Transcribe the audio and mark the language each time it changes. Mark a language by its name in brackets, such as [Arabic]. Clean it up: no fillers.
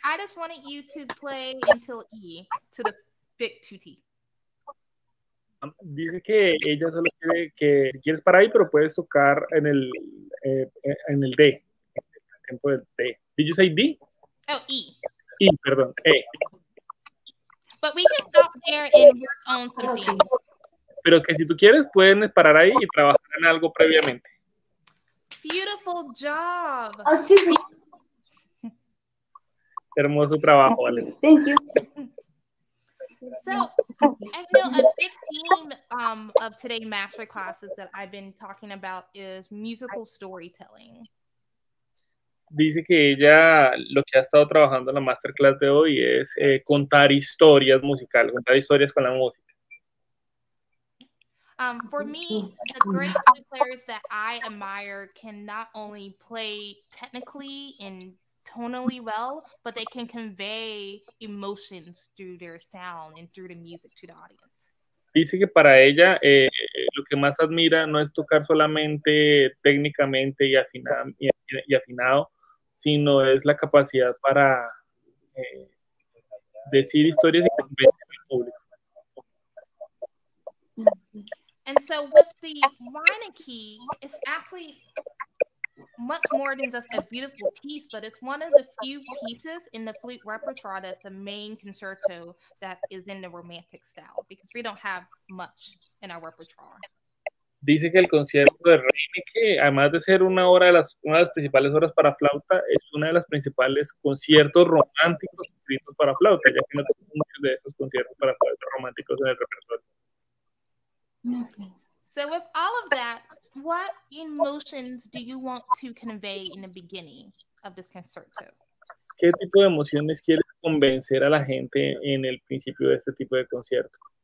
[English] I just wanted you to play until E, to the big 2T. [Spanish] Dice que ella solo quiere que, si quieres para ahí, pero puedes tocar en el D, en el tiempo del D. [English] Did you say D? Oh, E. [Spanish] E, perdón, E. [English] But we can stop there and work on something. [Spanish] Pero que si tú quieres, pueden parar ahí y trabajar en algo previamente. [English] Beautiful job. [Spanish] Oh, sí. Hermoso trabajo, Ale. [English] Thank you. So, I feel a big theme of today's master classes that I've been talking about is musical storytelling. [Spanish] Dice que ella lo que ha estado trabajando en la masterclass de hoy es contar historias musicales, contar historias con la música. [English] For me, the great players that I admire can not only play technically and tonally well, but they can convey emotions through their sound and through the music to the audience. [Spanish] Dice que para ella lo que más admira no es tocar solamente técnicamente y afinado, sino es la capacidad para decir historias y convencer al público. [English] And so with the Wynonkey, it's actually much more than just a beautiful piece, but it's one of the few pieces in the flute repertoire that's the main concerto that is in the romantic style, because we don't have much in our repertoire. [Spanish] Dice que el concierto de Reineke, además de ser una de las principales obras para flauta, es una de las principales conciertos románticos escritos para flauta, ya que no tenemos muchos de esos conciertos para flauta románticos en el repertorio. [English] So with all of that, what emotions do you want to convey in the beginning of this concerto? [Spanish] ¿Qué tipo de emociones quieres convencer a la gente en el principio de este tipo de concierto?